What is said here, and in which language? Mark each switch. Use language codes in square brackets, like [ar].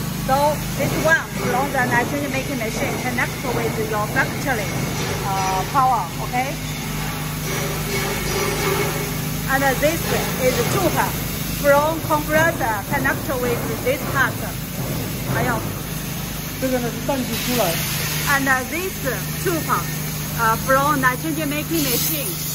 [en] So this one along the nitrogen making machine connects with your factory power, okay? And this is two part from compressor connect with this part. [zh] 还有，这个呢是蒸汽出来。 [en] And this two part from nitrogen making machine.